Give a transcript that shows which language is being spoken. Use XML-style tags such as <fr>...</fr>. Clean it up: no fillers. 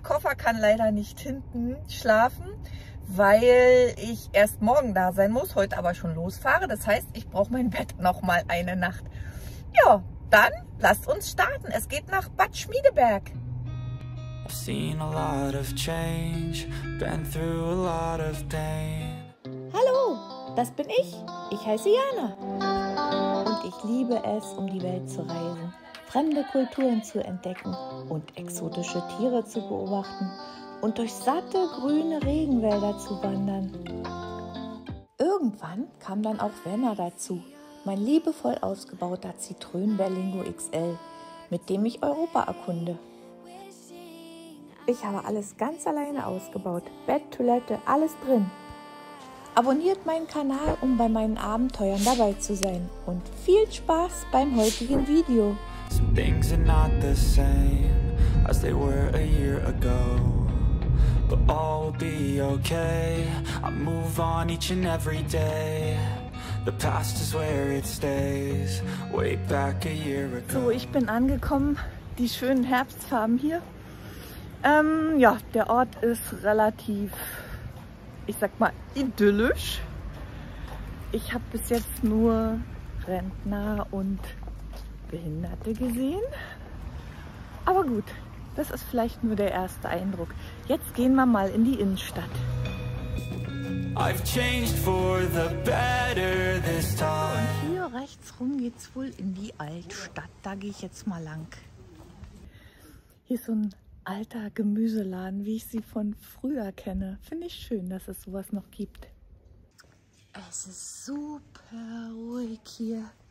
<de>Koffer kann leider nicht hinten schlafen, weil ich erst morgen da sein muss, heute aber schon losfahre. Das heißt, ich brauche mein Bett noch mal eine Nacht. Ja, dann lasst uns starten. Es geht nach Bad Schmiedeberg.</de> <en>I've seen a lot of change, been through a lot of pain.</en> <de>Hallo, das bin ich. Ich heiße Jana. Und ich liebe es, um die Welt zu reisen, fremde Kulturen zu entdecken und exotische Tiere zu beobachten und durch satte grüne Regenwälder zu wandern. Irgendwann kam dann auch Werner dazu, mein liebevoll ausgebauter Citroën Berlingo XL, mit dem ich Europa erkunde. Ich habe alles ganz alleine ausgebaut, Bett, Toilette, alles drin. Abonniert meinen Kanal, um bei meinen Abenteuern dabei zu sein. Und viel Spaß beim heutigen Video.</de> <en>Some things are not the same as they were a year ago. But all will be okay. I move on each and every day. The past is where it stays. Way back a year ago.</en> <de>So, ich bin angekommen. Die schönen Herbstfarben hier. Ja, der Ort ist relativ, ich sag mal, idyllisch. Ich habe bis jetzt nur Rentner und Behinderte gesehen. Aber gut, das ist vielleicht nur der erste Eindruck. Jetzt gehen wir mal in die Innenstadt.</de> <en>I've changed for the better this time.</en> <de>Und hier rechts rum geht's wohl in die Altstadt. Da gehe ich jetzt mal lang. Hier ist so ein alter Gemüseladen, wie ich sie von früher kenne. Finde ich schön, dass es sowas noch gibt. Es ist super ruhig hier.</de>